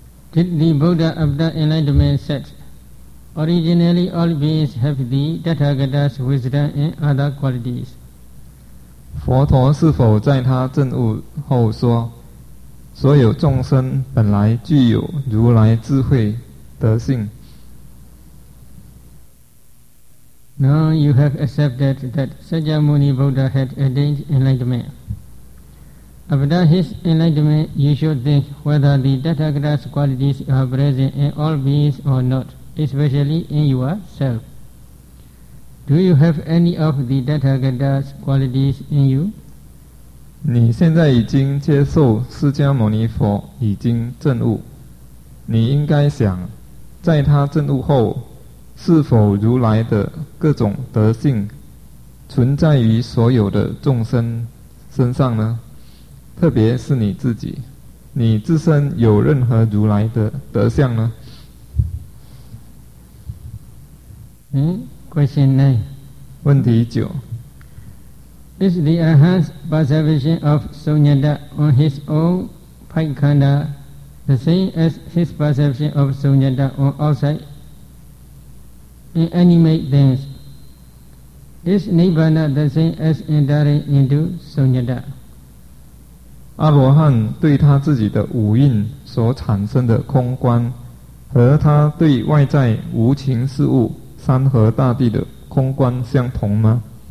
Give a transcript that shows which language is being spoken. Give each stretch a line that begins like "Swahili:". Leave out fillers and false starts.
English: Did the Buddha after enlightenment said, originally all beings have the Tathagata's wisdom and other qualities?
Chinese: 佛陀是否在他证悟后说，所有众生本来具有如来智慧德性？
English: Now you have accepted that Sakyamuni Buddha had attained enlightenment. After his enlightenment, you should think whether the Tathagata's qualities are present in all beings or not, especially in yourself. Do you have any of the Tathagata's qualities in you?
Chinese: 你现在已经接受释迦牟尼佛已经证悟，你应该想，在他证悟后，是否如来的各种德性存在于所有的众生身上呢？特别是你自己，你自身有任何如来的德相呢？
English: Question 9.
Chinese: 问题九。
English: Is the arahant's perception of sunyata on his own paikanda the same as his perception of sunyata on outside inanimate things? is Nibbana the same as entering into Sunyata?
Chinese: 阿罗汉对他自己的五蕴所产生的空观和他对外在无情事物山河大地的空观相同吗?